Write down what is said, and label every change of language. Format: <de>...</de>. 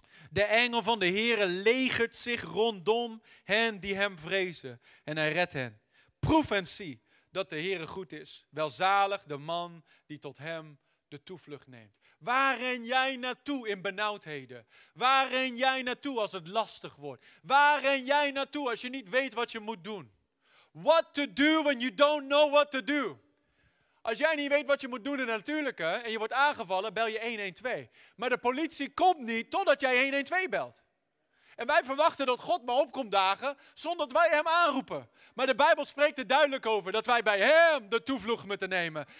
<nl>De engel van de Heere legert zich rondom hen die hem vrezen. En hij redt hen. Proef en zie dat de Heere goed is. Welzalig de man die tot hem de toevlucht neemt. Waar ren jij naartoe in benauwdheden? Waar ren jij naartoe als het lastig wordt? Waar ren jij naartoe als je niet weet wat je moet doen?</nl> <en>What to do when you don't know what to do?</en> <nl>Als jij niet weet wat je moet doen in de natuurlijke en je wordt aangevallen, bel je 112. Maar de politie komt niet totdat jij 112 belt. En wij verwachten dat God maar opkomt dagen zonder dat wij hem aanroepen. Maar de Bijbel spreekt er duidelijk over dat wij bij hem de toevlucht moeten nemen.</nl>